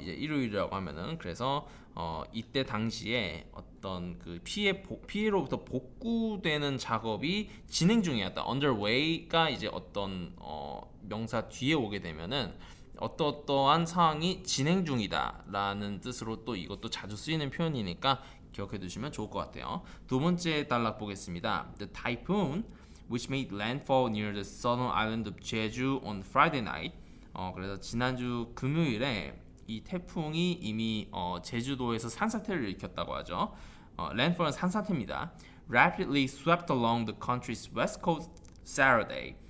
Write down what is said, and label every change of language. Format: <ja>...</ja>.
<ko>이제 일요일이라고 하면은 그래서 이때 당시에 어떤 그 피해로부터 복구되는 작업이 진행 중이었다. Underway가 이제 어떤 명사 뒤에 오게 되면은 어떠어떠한 상황이 진행 중이다라는 뜻으로 또 이것도 자주 쓰이는 표현이니까 기억해 두시면 좋을 것 같아요. 두 번째 단락 보겠습니다.</ko> <en>The typhoon which made landfall near the southern island of Jeju on Friday night.</en> <ko>그래서 지난주 금요일에 이 태풍이 이미 제주도에서 산사태를 일으켰다고 하죠. Landfall은 산사태입니다.</ko> <en>Rapidly swept along the country's west coast Saturday.</en>